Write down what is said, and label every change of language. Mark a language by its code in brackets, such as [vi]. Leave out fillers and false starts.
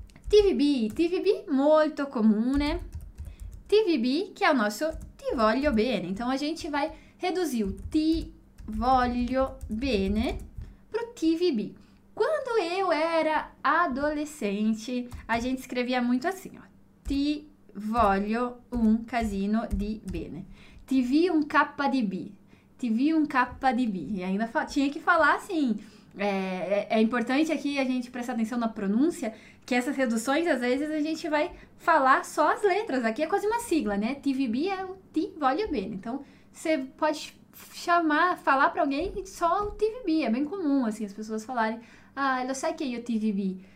[it] TVB, molto comune. [pt] TVB, que é o nosso ti voglio bene. Então, a gente vai reduzir o ti voglio bene pro TVB. Quando eu era adolescente, a gente escrevia muito assim, ó. [it] Ti voglio un casino di bene. Ti vi un K di B. Ti vi un K di B. [pt] E ainda tinha que falar assim. É importante aqui a gente prestar atenção na pronúncia, que essas reduções, às vezes, a gente vai falar só as letras. Aqui é quase uma sigla, né? TVB é o ti voglio bene. Então, você pode falar para alguém só o TVB. É bem comum, assim, as pessoas falarem: [it] Ah, lo sai que io TVB.